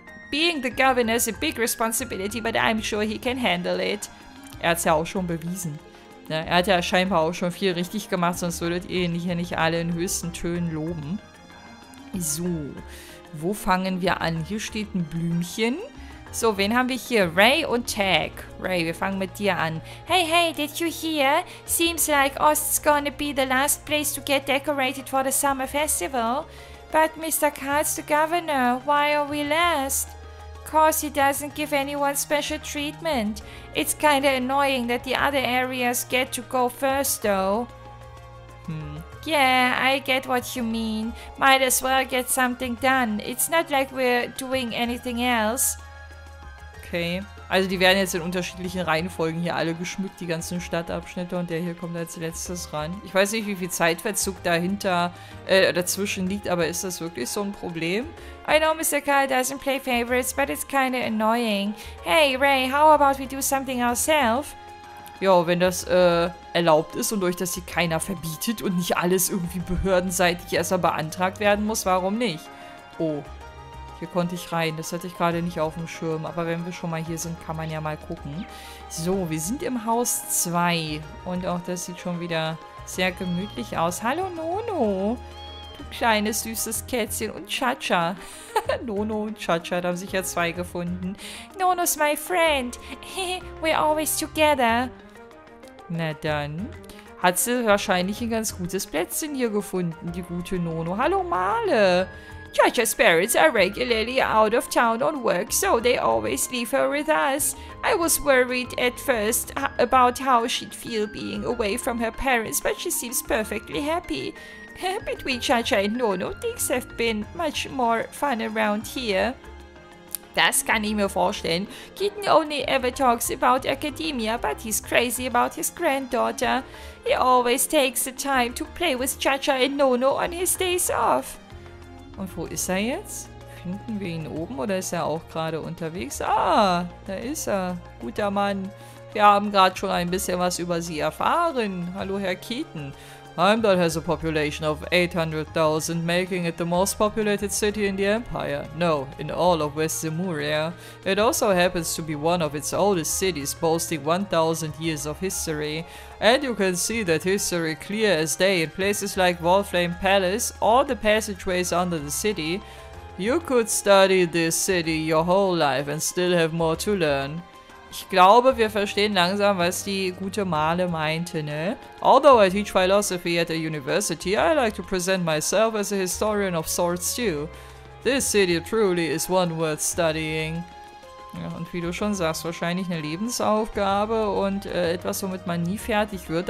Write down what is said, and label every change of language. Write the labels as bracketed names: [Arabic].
[English] Being the governor's a big responsibility, but I'm sure he can handle it. [German] Er hat es ja auch schon bewiesen. Ja, er hat ja scheinbar auch schon viel richtig gemacht, sonst würdet ihr ihn hier nicht alle in höchsten Tönen loben. So, wo fangen wir an? Hier steht ein Blümchen. So, wen haben wir hier? Ray und Tag. Ray, wir fangen mit dir an. [English] Hey, did you hear? Seems like Ost's gonna be the last place to get decorated for the summer festival. But Mr. Karl's the governor. Why are we last? Cause he doesn't give anyone special treatment. It's kinda annoying that the other areas get to go first, though. Yeah, I get what you mean. Might as well get something done. It's not like we're doing anything else. [German] Okay, also die werden jetzt in unterschiedlichen Reihenfolgen hier alle geschmückt, die ganzen Stadtabschnitte, und der hier kommt als letztes ran. Ich weiß nicht, wie viel Zeitverzug dahinter, dazwischen liegt, aber ist das wirklich so ein Problem? [English] I know Mr. Karl doesn't play favorites, but it's kinda annoying. Hey Ray, how about we do something ourselves? [German] Jo, wenn das erlaubt ist und euch das hier keiner verbietet und nicht alles irgendwie behördenseitig erstmal beantragt werden muss, warum nicht? Oh. Hier konnte ich rein. Das hatte ich gerade nicht auf dem Schirm. Aber wenn wir schon mal hier sind, kann man ja mal gucken. So, wir sind im Haus 2. Und auch das sieht schon wieder sehr gemütlich aus. Hallo, Nono. Du kleines, süßes Kätzchen. Und Chacha. Nono und Chacha, da haben sich ja 2 gefunden. [English] Nono's my friend. We're always together. [German] Na dann. Hat sie wahrscheinlich ein ganz gutes Plätzchen hier gefunden, die gute Nono. Hallo, Male. [English] Chacha's parents are regularly out of town on work, so they always leave her with us. I was worried at first about how she'd feel being away from her parents, but she seems perfectly happy. Between Chacha and Nono, things have been much more fun around here. [German] Das kann ich mir vorstellen. [English] Keaton only ever talks about academia, but he's crazy about his granddaughter. He always takes the time to play with Chacha and Nono on his days off. [German] Und wo ist er jetzt? Finden wir ihn oben oder ist er auch gerade unterwegs? Ah, da ist er. Guter Mann. Wir haben gerade schon ein bisschen was über Sie erfahren. Hallo, Herr Keaton. [English] Heimdall has a population of 800,000, making it the most populated city in the Empire. No, in all of West Zemuria. It also happens to be one of its oldest cities, boasting 1,000 years of history. And you can see that history clear as day in places like Wallflame Palace or the passageways under the city. You could study this city your whole life and still have more to learn. [German] Ich glaube, wir verstehen langsam, was die gute Male meinte, ne? [English] Although I teach philosophy at a university, I like to present myself as a historian of sorts too. This city truly is one worth studying. [German] Ja, und wie du schon sagst, wahrscheinlich eine Lebensaufgabe und etwas, womit man nie fertig wird.